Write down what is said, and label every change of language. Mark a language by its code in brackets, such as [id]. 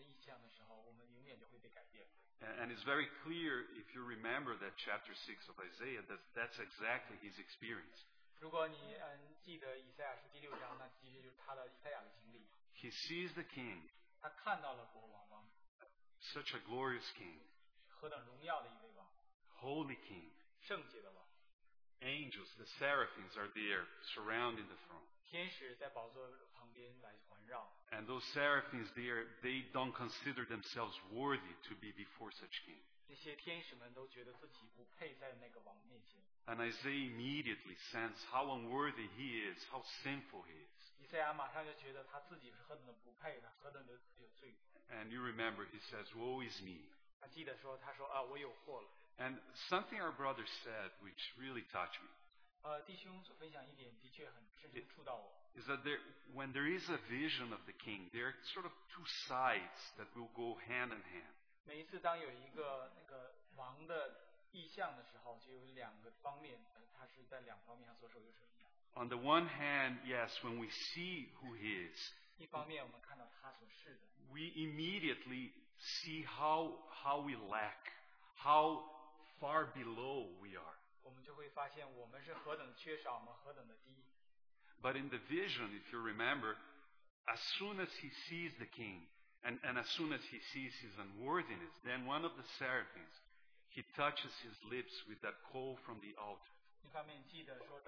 [zh] 因此弟兄们弟兄所分享就是当一旦我们看见到了这个王的意象的时候我们永远就会被改变。 [en] And it's very clear, if you remember that chapter 6 of Isaiah, that's exactly his experience. [zh] 如果你记得以赛亚书第六章，那其实就是他的以赛亚的经历。 [en] He sees the king. [zh] 他看到了国王吗? [en] Such a glorious king. [zh] 何等荣耀的一位王。 [en] Holy King. [zh] 圣洁的王。 [en] Angels, the seraphims are there, surrounding the throne. [zh] 天使在宝座旁边来环绕。 [en] And those seraphims there, they don't consider themselves worthy to be before such king. [zh] 那些天使们都觉得自己不配在那个王面前。 [en] And Isaiah immediately senses how unworthy he is, how sinful he is. [zh] 以赛亚马上就觉得他自己是何等的不配，何等的有罪。 [en] And you remember, he says, "Woe is me." [zh] 他记得说，他说啊，我有祸了。 [en] And something our brother said, which really touched me, [zh] 弟兄所分享一点的确很触到我。 [en] Is that there, when there is a vision of the king, there are sort of two sides that will go hand in hand. [zh] 每一次当有一个王的意象的时候，就有两个方面，它是在两方面上做手，就是一样。 [en] On the one hand, yes, when we see who he is, [zh] 一方面我们看到他所是的, [en] we immediately see how we lack, how far below we are. [zh] 我们就会发现我们是何等缺少，我们何等的低。 [en] But in the vision, if you remember, as soon as he sees the king, and as soon as he sees his unworthiness, then one of the seraphims, he touches his lips with that coal from the altar.